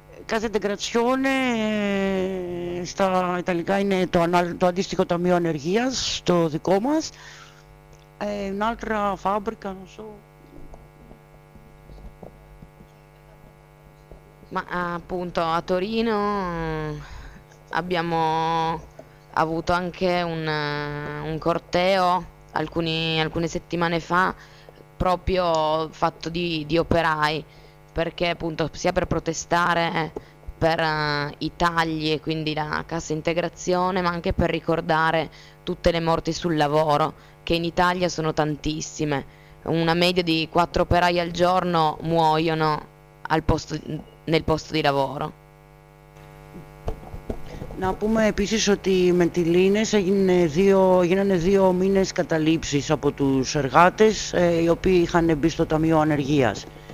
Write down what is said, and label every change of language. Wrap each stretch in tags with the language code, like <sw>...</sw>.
<el>Casa Integrazione στα ιταλικά είναι το αντίστοιχο Ταμείο Ενεργείας, το δικό μας.</el> <it>Un'altra fabbrica, non so. Ma appunto a Torino abbiamo avuto anche un corteo alcune settimane fa, proprio fatto di operai, perché appunto sia per protestare per i tagli e quindi la cassa integrazione, ma anche per ricordare tutte le morti sul lavoro, che in Italia sono tantissime. Una media di 4 operai al giorno muoiono nel posto di lavoro.</it> <el>Να πούμε επίσης ότι με τη Λίνες γίνανε 2 μήνες καταλήψεις από τους εργάτες οι οποίοι είχαν μπει στο Ταμείο Ανεργίας.</el>